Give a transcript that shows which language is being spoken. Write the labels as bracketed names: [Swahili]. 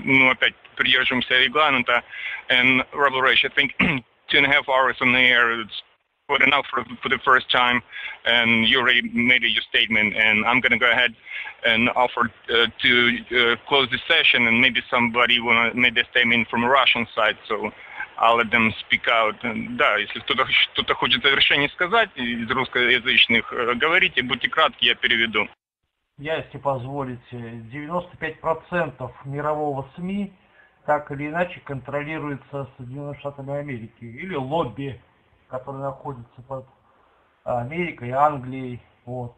[Russian] Опять придерживаемся регламента. [English] And Rebel Rage, I think 2.5 hours on the air is good enough for the first time. And you already made your statement. And I'm going to go ahead and offered to close the session, and maybe somebody wanna make a statement from Russian side, so I'll let them speak out. [Russian] And, да, если кто-то хочет завершение сказать из русскоязычных, говорите, будьте кратки, я переведу. Я, если позволите, 95% мирового СМИ так или иначе контролируется Соединенными Штатами Америки или лобби, которые находятся под Америкой, Англией. Вот.